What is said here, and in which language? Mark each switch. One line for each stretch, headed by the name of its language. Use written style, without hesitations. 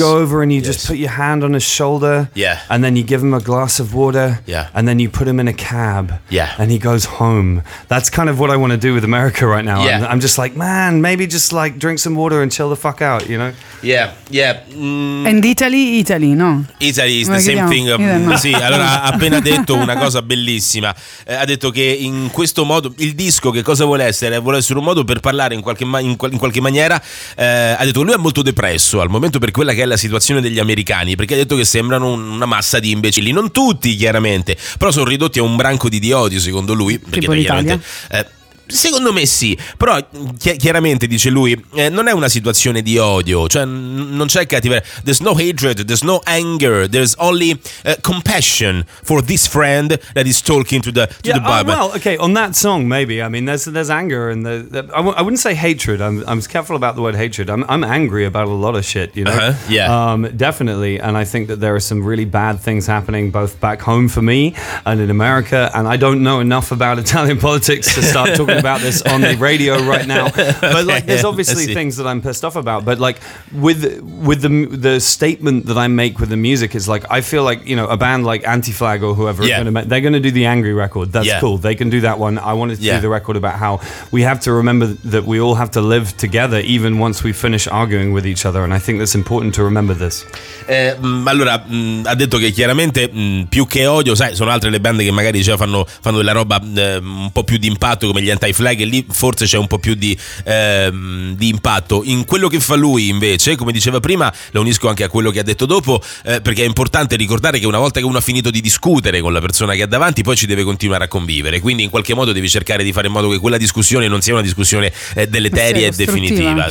English: go over and you yes. just put your hand on his shoulder, yeah, and then you give him a glass of water, yeah, and then you put him in a cab, yeah, and he goes home. That's kind of what I want to do with America right now. Yeah. I'm just like, man, maybe just like drink some water and chill the fuck out, you know? Yeah, yeah. And Italy, no? Italy is the same thing.
Italian: Sì, allora ha appena detto una cosa bellissima. Ha detto che in questo modo il disco che cosa vuole essere? Vuole essere un modo per parlare in qualche maniera. Ha detto che lui è molto depresso al momento per quella che è la situazione degli americani. Perché ha detto che sembrano una massa di imbecilli. Non tutti, chiaramente, però sono ridotti a un branco di idioti, secondo lui. Perché tipo chiaramente. Secondo me sì, però chiaramente dice lui, non è una situazione di odio, cioè non c'è cattiveria.
English: There's no hatred, there's no anger, there's only compassion for this friend that is talking to the to yeah, the Bible. Well, okay, on that song maybe. I mean, there's anger and I wouldn't say hatred. I'm careful about the word hatred. I'm angry about a lot of shit, you know. Uh-huh, yeah. Definitely, and I think that there are some really bad things happening both back home for me and in America, and I don't know enough about Italian politics to start talking about this on the radio right now. Okay, but like there's obviously things that I'm pissed off about, but like with the statement that I make with the music is like I feel like, you know, a band like Anti-Flag or whoever they're gonna do the angry record. That's cool, they can do that one. I wanted to do the record about how we have to remember that we all have to live together even once we finish arguing with each other, and I think that's important to remember this.
Italian: Allora ha detto che chiaramente più che odio, sai, sono altre le band che magari già fanno della roba un po' più di impatto come gli Anti-Flag, e lì forse c'è un po' più di impatto. In quello che fa lui invece, come diceva prima, lo unisco anche a quello che ha detto dopo, perché è importante ricordare che una volta che uno ha finito di discutere con la persona che ha davanti, poi ci deve continuare a convivere, quindi in qualche modo devi cercare di fare in modo che quella discussione non sia una discussione deleteria e definitiva,